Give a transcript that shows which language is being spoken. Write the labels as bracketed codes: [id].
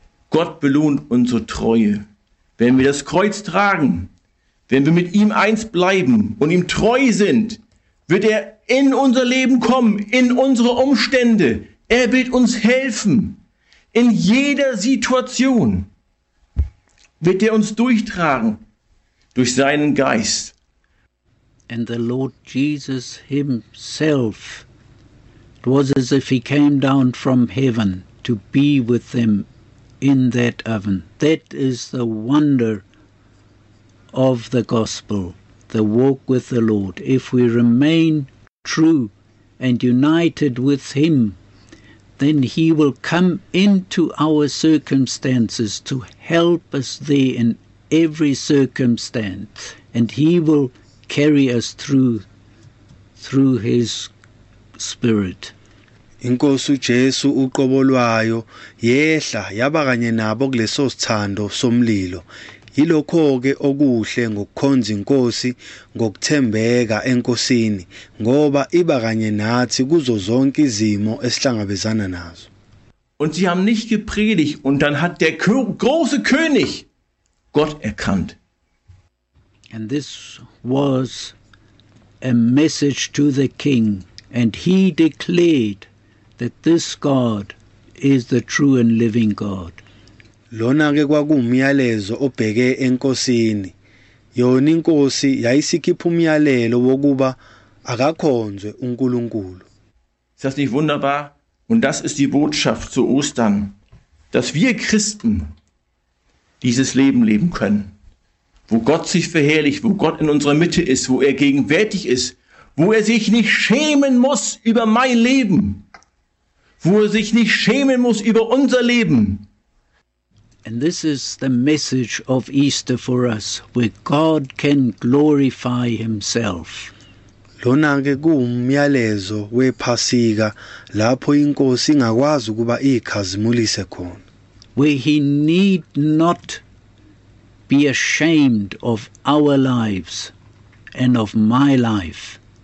[de] Gott belohnt unsere Treue. Wenn wir das Kreuz tragen, wenn wir mit ihm eins bleiben und ihm treu sind, wird er in unser Leben kommen, in unsere Umstände. Er wird uns helfen. In jeder Situation wird er uns durchtragen durch seinen Geist. [en] And the Lord Jesus himself, it was as if he came down from heaven to be with them in that oven. That is the wonder of the gospel, the walk with the Lord. If we remain true and united with him, then he will come into our circumstances to help us there in every circumstance, and he will carry us through his spirit. [zu] Inkosi Jesu uqobo lwayo yehla yaba kanye nabo kuleso sithando somlilo. Yilokho ke okuhle ngokukhonza inkosi ngokuthembeka enkosini ngoba iba kanye nathi kuzo zonke izimo esihlangabezana nazo. [de] Und sie haben nicht gepredigt und dann hat der große König Gott erkannt. [en] And this was a message to the king, and he declared that this God is the true and living God. [zu] Lona ke kwakungumyalezo obheke enkosini. Yona inkosi yayisikhipha umyalelo wokuba akakhonzwe uNkulunkulu. [de] Ist das nicht wunderbar? Und das ist die Botschaft zu Ostern, dass wir Christen dieses Leben leben können, wo Gott sich verherrlicht, wo Gott in unserer Mitte ist, wo er gegenwärtig ist, wo er sich nicht schämen muss über mein Leben, wo er sich nicht schämen muss über unser Leben. [en] And this is the message of Easter for us, where God can glorify himself. [zu] Lona ke kumyalezo wePhasika lapho iNkosi ingakwazi ukuba ikhazimulise khona. [en] where he need not be ashamed of our lives and of my life.